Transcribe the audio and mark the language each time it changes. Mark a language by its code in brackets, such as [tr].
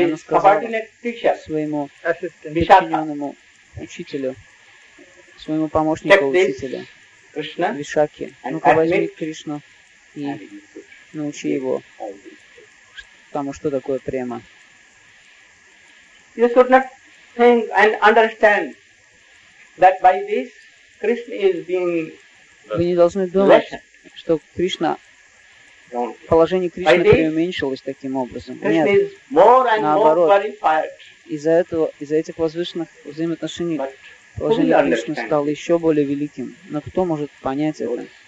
[ru] она сказала своему подчиненному учителю, своему помощнику-учителю Вишакхе, ну-ка возьми Кришну и научи его тому, что такое према. [en] You should not think and understand that by this Krishna is being [ru] вы не должны думать, [en] lessened. [ru] что Кришна, положение Кришны преуменьшилось таким образом. Нет, наоборот, из-за этих возвышенных взаимоотношений положение Кришны стало еще более великим. Но кто может понять это?